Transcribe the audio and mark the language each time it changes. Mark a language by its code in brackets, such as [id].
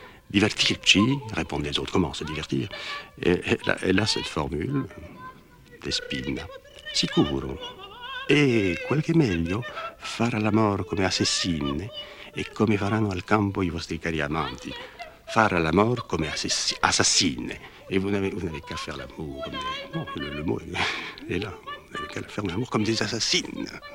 [fr] Divertirci, répondent les autres. Comment se divertir? Elle a cette formule, Despina. [it] Sicuro. E quel che meglio, fare l'amor come assassine e come faranno al campo i vostri cari amanti. Fare l'amor come assassine. [fr] Et vous n'avez qu'à faire l'amour. Mais, non, le mot est là. Vous n'avez qu'à faire l'amour comme des assassines.